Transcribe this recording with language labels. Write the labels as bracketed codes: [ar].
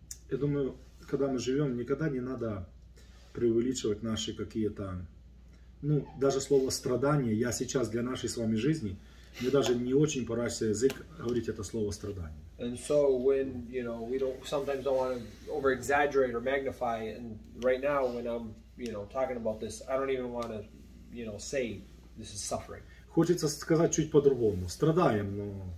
[ru] Я думаю, когда мы живем, никогда не надо преувеличивать наши какие-то, ну, даже слово страдание, я сейчас для нашей с вами жизни, мне даже не очень поращивает язык говорить это слово страдание. [en] And so when, you know, we don't, sometimes don't want to over-exaggerate or magnify, and right now when I'm, you know, talking about this, I don't even want to, you know, say this is suffering. [ru] Хочется сказать чуть по-другому, страдаем, но...